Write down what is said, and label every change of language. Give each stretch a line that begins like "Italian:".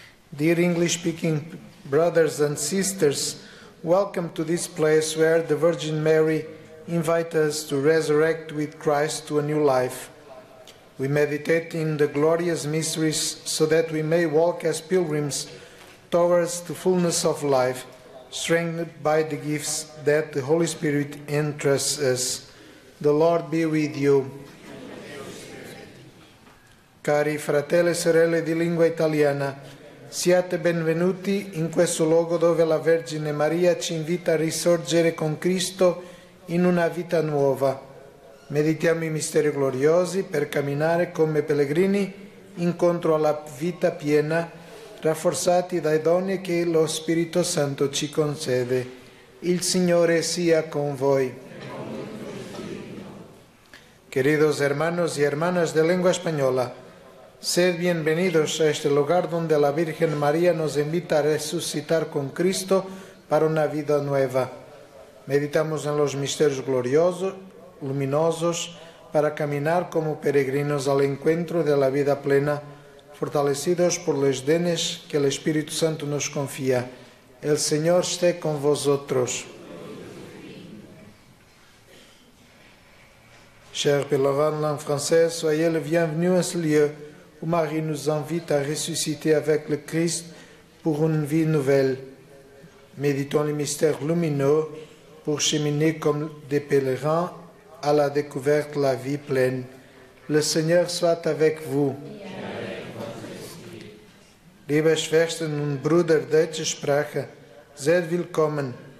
English: Dear English speaking brothers and sisters, welcome to this place where the Virgin Mary invite us to resurrect with Christ to a new life. We meditate in the glorious mysteries so that we may walk as pilgrims towards the fullness of life, strengthened by the gifts that the Holy Spirit entrusts us. The Lord be with you.
Italian: Cari fratelli e sorelle di lingua italiana, siate benvenuti in questo luogo dove la Vergine Maria ci invita a risorgere con Cristo in una vita nuova. Meditiamo i misteri gloriosi per camminare come pellegrini incontro alla vita piena, rafforzati dai doni che lo Spirito Santo ci concede. Il Signore sia con voi.
Spanish: Queridos hermanos y hermanas de lengua española, sed bienvenidos a este lugar donde la Virgen María nos invita a resucitar con Cristo para una vida nueva. Meditamos en los misterios gloriosos, luminosos, para caminar como peregrinos al encuentro de la vida plena, fortalecidos por los dones que el Espíritu Santo nos confía. El Señor esté con vosotros.
French: Cher pèlerin en français, soyez le bienvenu en ce lieu où Marie nous invite à ressusciter avec le Christ pour une vie nouvelle. Méditons les mystères lumineux pour cheminer comme des pèlerins à la découverte de la vie pleine. Le Seigneur soit avec vous.
German: Liebe Schwestern und Brüder deutscher Sprache, seid willkommen.